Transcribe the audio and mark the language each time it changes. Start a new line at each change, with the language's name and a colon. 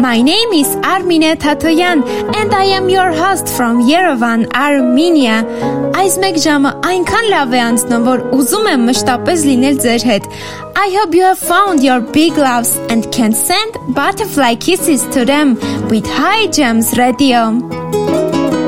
English: My name is Armine Tatoyan and I am your host from Yerevan, Armenia.
Armenian: Այս մեկ ժամը այնքան լավ է անցնում, որ ուզում եմ մշտապես լինել ձեր հետ.
English: I hope you have found your big loves and can send butterfly kisses to them with High Gems Radio.